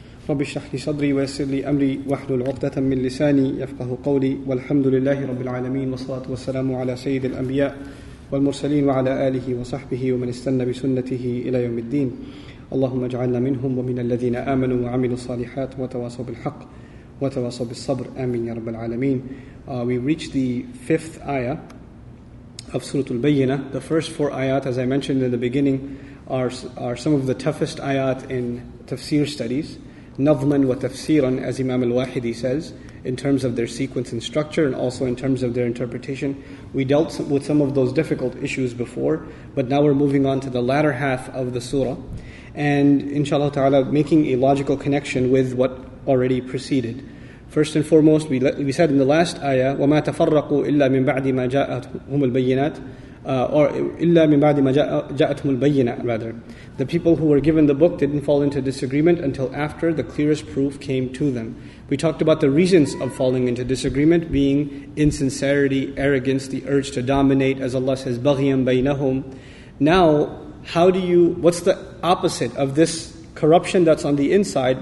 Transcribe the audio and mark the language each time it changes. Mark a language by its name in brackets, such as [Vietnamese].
[Arabic] رب اشرح لي صدري ويسر لي أمري واحلل عقدة من لساني يفقه قولي والحمد لله رب العالمين والصلاة والسلام على سيد الأنبياء والمرسلين وعلى آله وصحبه ومن استنى بسنته إلى يوم الدين اللهم اجعلنا منهم ومن الذين آمنوا وعملوا الصالحات وتواصوا بالحق وتواصوا بالصبر آمين يا رب العالمين. [English] We reach the fifth ayah of Surah Al-Bayyinah. The first four ayat, as I mentioned in the beginning, are some of the toughest ayat in tafsir studies. [Arabic] Nazman wa tafsiran, [English] as Imam Al-Wahidi says, in terms of their sequence and structure, and also in terms of their interpretation. We dealt with some of those difficult issues before, but now we're moving on to the latter half of the surah, and inshallah ta'ala, making a logical connection with what already preceded. First and foremost, we said in the last ayah, [Arabic] وَمَا تَفَرَّقُوا إِلَّا مِنْ بَعْدِ مَا جَاءَتْهُمُ الْبَيِّنَاتِ [English] or [Arabic] إِلَّا مِنْ بَعْدِ مَا جَاءَتْهُمُ الْبَيِّنَاتِ [English] rather. The people who were given the book didn't fall into disagreement until after the clearest proof came to them. We talked about the reasons of falling into disagreement being insincerity, arrogance, the urge to dominate, as Allah says, [Arabic] بَغْيًا بَيْنَهُمْ. [English] Now, what's the opposite of this corruption that's on the inside?